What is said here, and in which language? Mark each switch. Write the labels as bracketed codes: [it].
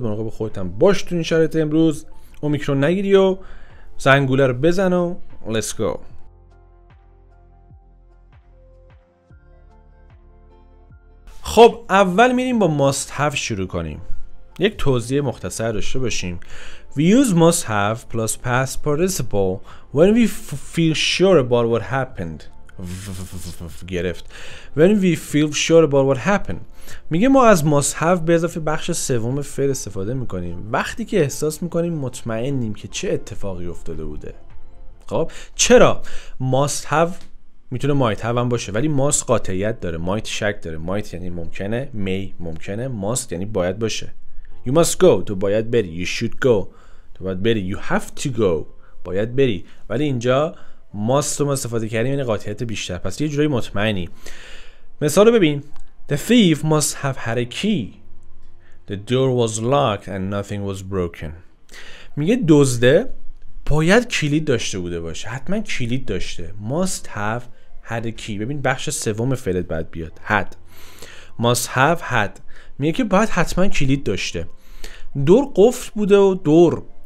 [fa] مراقب خودتون باش تو این شرایط امروز، اومیکرون نگیری و زنگوله رو بزن و [en] Let's go. [fa] خب اول میریم با must have شروع کنیم. یک توضیح مختصر داشته باشیم. [en] We use must have plus past participle when we feel sure about what happened. [fa] گرفت. [en] When we feel sure about what happened. [fa] میگه ما از must have به اضافه بخش سوم فعل استفاده میکنیم وقتی که احساس میکنیم مطمئنیم که چه اتفاقی افتاده بوده. خب چرا؟ must have میتونه مایت هاو هم باشه، ولی ماست قاطعیت داره، مایت شک داره. مایت یعنی ممکنه، می ممکنه، ماست یعنی باید باشه. [en] You must go، [fa] تو باید بری. [en] You should go، تو باید بری. You have to go، [fa] باید بری. ولی اینجا ماست رو ما استفاده کردیم، یعنی قاطعیت بیشتر، پس یه جورای مطمئنی. مثال رو ببین. [en] The thief must have had a key. The door was locked and nothing was broken. [fa] میگه دزده باید کلید داشته بوده باشه، حتما کلید داشته. [en] must have had a key. [fa] ببین بخش سوم فعلت باید بیاد. [en] had. must have had. [fa] میگه که باید حتما کلید داشته. دور قفل بوده و دور.